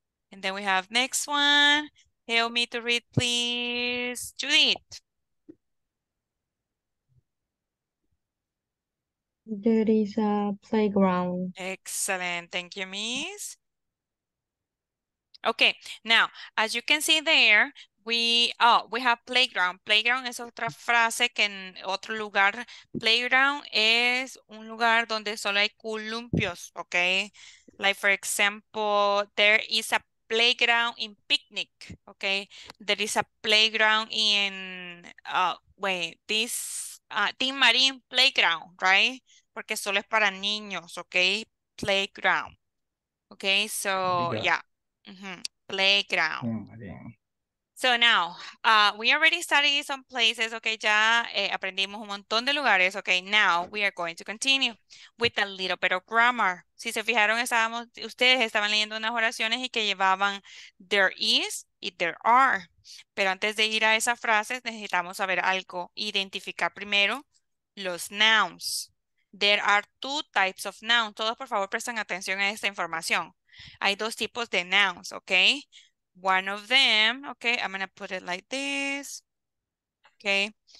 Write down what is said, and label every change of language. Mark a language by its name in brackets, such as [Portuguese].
[English] And then we have next one. Help me to read, please. Judith. There is a playground. Excellent. Thank you, Miss. Okay. Now, as you can see there, we have playground. [Spanish] Playground es otra frase que en otro lugar. Playground es un lugar donde solo hay columpios, okay? [English] Like, for example, there is a playground in picnic, okay? There is a playground in, Team Marine playground, right? [Spanish] Porque solo es para niños, okay? Playground. [English] Okay, so, yeah. Mm-hmm. Playground. So now, we already studied some places, okay? [Spanish] Ya aprendimos un montón de lugares, [English] okay? Now, we are going to continue with a little bit of grammar. [Spanish] Si se fijaron, ustedes estaban leyendo unas oraciones y que llevaban there is y there are. Pero antes de ir a esas frases, necesitamos saber algo. Identificar primero los nouns. [English] There are two types of nouns. [Spanish] Todos, por favor, presten atención a esta información. Hay dos tipos de nouns, okay? [English] One of them, okay, I'm gonna put it like this, okay?